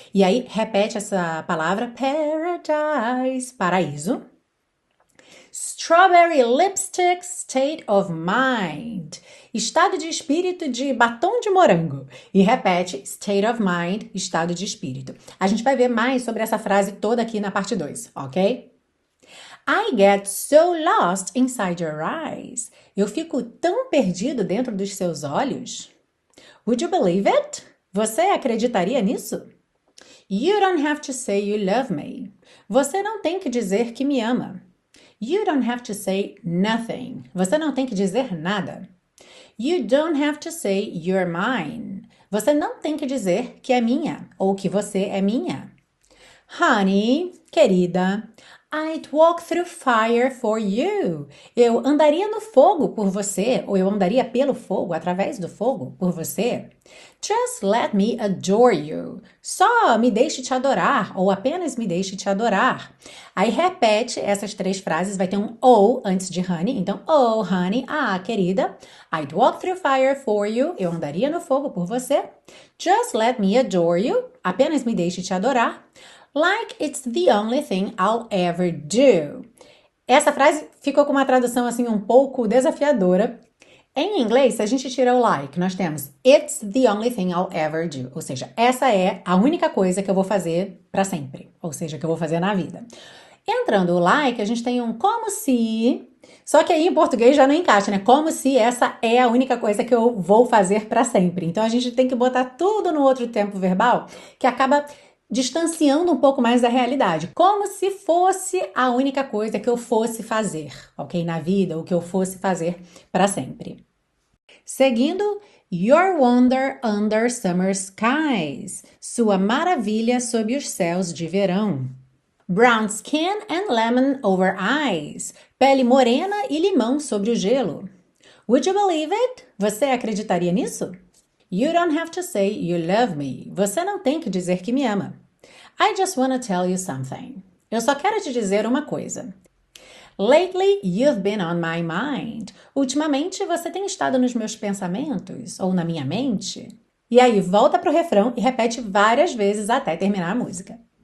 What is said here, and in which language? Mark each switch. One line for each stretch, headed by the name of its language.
Portuguese: E aí, repete essa palavra: paradise, paraíso.
English: Strawberry lipstick state of mind.
Portuguese: Estado de espírito de batom de morango. E repete,
English: state of mind,
Portuguese: estado de espírito. A gente vai ver mais sobre essa frase toda aqui na parte 2, ok?
English: I get so lost inside your eyes.
Portuguese: Eu fico tão perdido dentro dos seus olhos.
English: Would you believe it?
Portuguese: Você acreditaria nisso?
English: You don't have to say you love me.
Portuguese: Você não tem que dizer que me ama.
English: You don't have to say nothing.
Portuguese: Você não tem que dizer nada.
English: You don't have to say you're mine.
Portuguese: Você não tem que dizer que é minha ou que você é minha.
English: Honey, querida, I'd walk through fire for you.
Portuguese: Eu andaria no fogo por você, ou eu andaria pelo fogo, através do fogo, por você.
English: Just let me adore you.
Portuguese: Só me deixe te adorar, ou apenas me deixe te adorar. Aí repete essas três frases, vai ter um oh antes de honey. Então, oh, honey, ah, querida.
English: I'd walk through fire for you.
Portuguese: Eu andaria no fogo por você.
English: Just let me adore you.
Portuguese: Apenas me deixe te adorar.
English: Like it's the only thing I'll ever do.
Portuguese: Essa frase ficou com uma tradução assim um pouco desafiadora. Em inglês, se a gente tira o like, nós temos
English: It's the only thing I'll ever do.
Portuguese: Ou seja, essa é a única coisa que eu vou fazer para sempre. Ou seja, que eu vou fazer na vida. Entrando o like, a gente tem um como se. Só que aí em português já não encaixa, né? Como se essa é a única coisa que eu vou fazer para sempre. Então a gente tem que botar tudo no outro tempo verbal, que acaba distanciando um pouco mais da realidade, como se fosse a única coisa que eu fosse fazer, ok? Na vida, o que eu fosse fazer para sempre. Seguindo,
English: Your wonder under summer skies.
Portuguese: Sua maravilha sob os céus de verão.
English: Brown skin and lemon over ice.
Portuguese: Pele morena e limão sobre o gelo.
English: Would you believe it?
Portuguese: Você acreditaria nisso?
English: You don't have to say you love me.
Portuguese: Você não tem que dizer que me ama.
English: I just wanna tell you something.
Portuguese: Eu só quero te dizer uma coisa.
English: Lately, you've been on my mind.
Portuguese: Ultimamente, você tem estado nos meus pensamentos ou na minha mente. E aí, volta pro refrão e repete várias vezes até terminar a música.